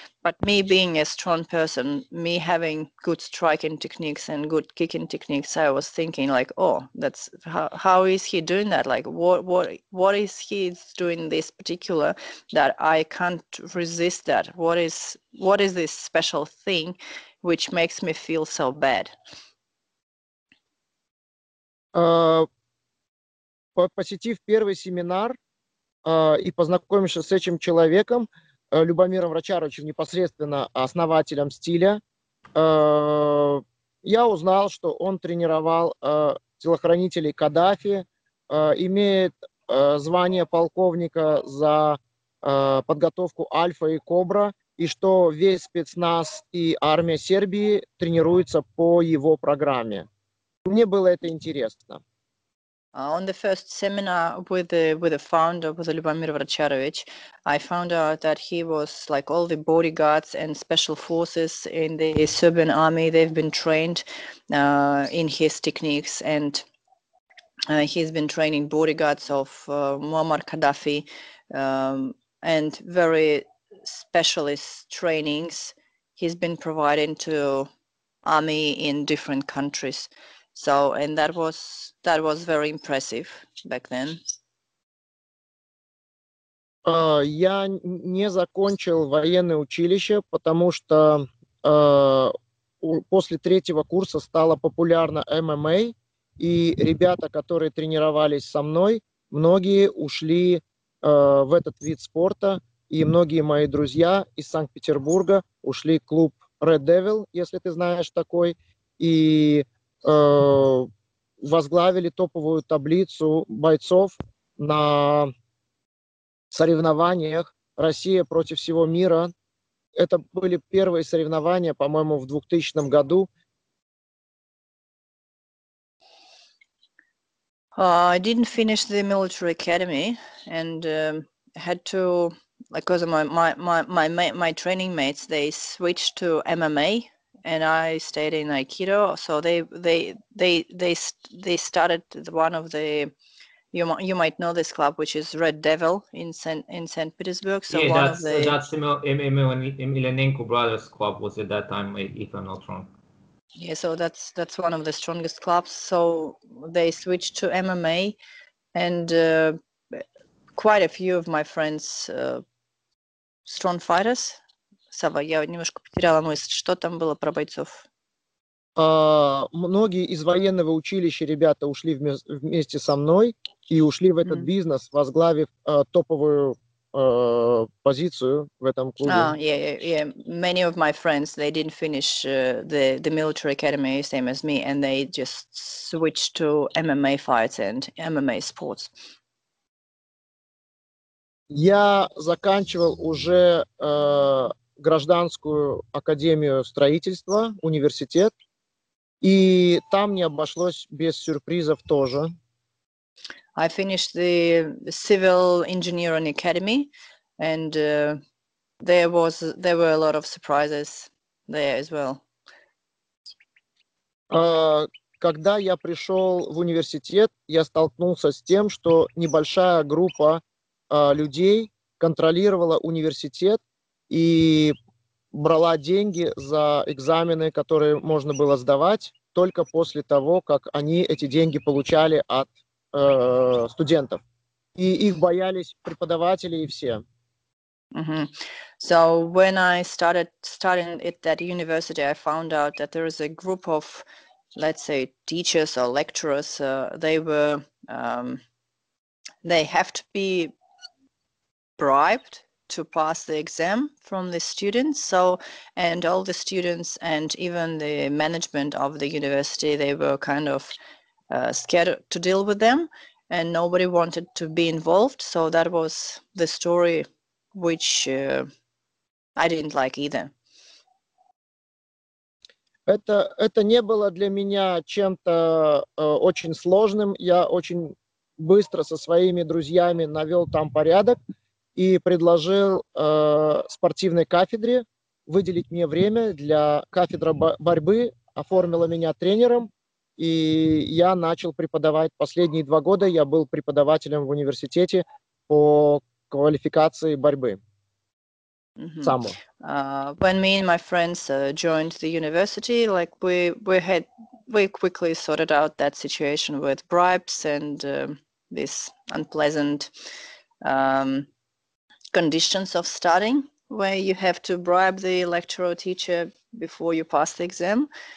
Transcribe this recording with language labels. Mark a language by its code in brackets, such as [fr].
[en] But me being a strong person, me having good striking techniques and good kicking techniques, I was thinking like, oh, that's how is he doing that? Like, what is he doing this particular that I can't resist that? What is this special thing which makes me feel so bad? [ru] Посетив первый семинар и познакомившись с этим человеком, Любомиром Врачаровичем, непосредственно основателем стиля, я узнал, что он тренировал телохранителей Каддафи, имеет звание полковника за подготовку Альфа и Кобра, и что весь спецназ и армия Сербии тренируются по его программе. Мне было это интересно. [en] On the first seminar with the founder, with Lyubomir Vracharovich, I found out that he was like all the bodyguards and special forces in the Serbian army. They've been trained in his techniques, and he's been training bodyguards of Muammar Gaddafi, and very specialist trainings he's been providing to army in different countries. So, and that was very impressive back then. [ru] Я не закончил военное училище, потому что после третьего курса стало популярно ММА, и ребята, которые тренировались со мной, многие ушли в этот вид спорта, и многие мои друзья из Санкт-Петербурга ушли в клуб Red Devil, если ты знаешь такой, и возглавили топовую таблицу бойцов на соревнованиях «Россия против всего мира». Это были первые соревнования, по-моему, в 2000 году. [en] I didn't finish the military academy and had to, because of my training mates, they switched to MMA. And I stayed in Aikido, so they started one of the, you might know this club, which is Red Devil in St. Petersburg. So yeah, that's Emelianenko Brothers Club was at that time, if I'm not wrong. Yeah, so that's one of the strongest clubs. So they switched to MMA, and quite a few of my friends, strong fighters. [ru] Сава, я немножко потеряла мысль. Что там было про бойцов? Многие из военного училища ребята ушли вместе со мной и ушли в этот бизнес, возглавив топовую позицию в этом клубе. [en] Yeah. Many of my friends, they didn't finish the military academy, same as me, and they just switched to MMA fights and MMA sports. [ru] Я заканчивал уже гражданскую академию строительства, университет, и там не обошлось без сюрпризов тоже. [en] I finished the civil engineering academy, and there were a lot of surprises there as well. [ru] Когда я пришел в университет, я столкнулся с тем, что небольшая группа людей контролировала университет и брала деньги за экзамены, которые можно было сдавать только после того, как они эти деньги получали от студентов. И их боялись преподаватели и все. Mm-hmm. [en] So when I started at that university, I found out that there is a group of, let's say, teachers or lecturers. They have to be bribed to pass the exam from the students. So, and all the students and even the management of the university, they were kind of scared to deal with them, and nobody wanted to be involved. So that was the story, which I didn't like either. [ru] Это не было для меня чем-то очень сложным. Я очень быстро со своими друзьями навел там порядок и предложил спортивной кафедре выделить мне время для кафедры борьбы, оформила меня тренером, и я начал преподавать. Последние два года я был преподавателем в университете по квалификации борьбы. Mm-hmm. [en] When me and my friends joined the university, like we quickly sorted out that situation with bribes and this unpleasant conditions of studying, where you have to bribe the lecturer or teacher before you pass the exam.